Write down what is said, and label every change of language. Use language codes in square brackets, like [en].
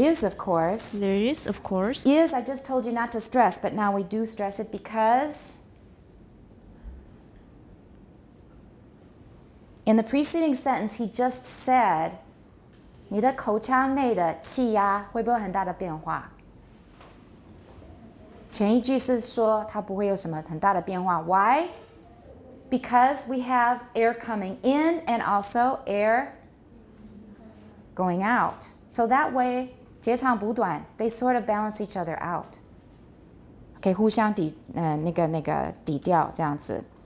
[en] Yes, I just told you not to stress, but now we do stress it because in the preceding sentence, he just said, [zh] 你的口腔内的气压会不会很大的变化? 前一句是说它不会有什么很大的变化. [en] Why? Because we have air coming in and also air going out. So that way, [zh] 截长不短, [en] they sort of balance each other out. Okay, [zh] 互相抵调这样子.